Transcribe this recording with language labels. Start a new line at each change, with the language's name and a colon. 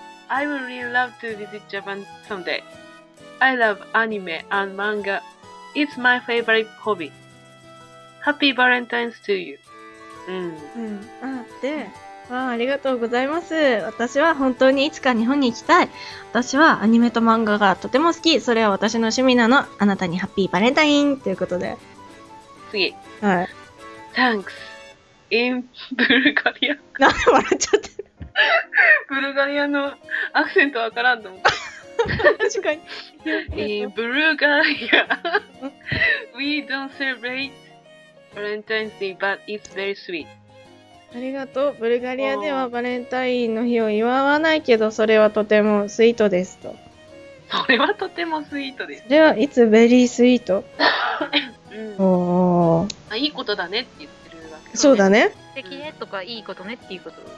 English: I would really love to visit Japan someday. I love anime and manga. It's my favorite hobby. Happy Valentine's to you. うん。
Japanese: うん。あ、で、わあ、ありがとうございます。私は本当にいつか日本に行きたい。私はアニメと漫画がとても好き。それは私の趣味なの。あなたにハッピーバレンタイン、ということで。次、はい。
English: Thanks in ブルガリア。
Japanese: なんで笑っちゃってる。ブルガリアのアクセントわからんと思う。確かに。
English: In ブルガリア We don't celebrate Valentine's Day, but it's very sweet。
Japanese: ありがとう。ブルガリアではバレンタインの日を祝わないけど、それはとてもスイートですと。それはとてもスイートです。では、いつベリースイート。うん、おー、あ、いいことだねって言ってるわけ、ね。そうだね。素敵ねとか、いいことねっていうこと。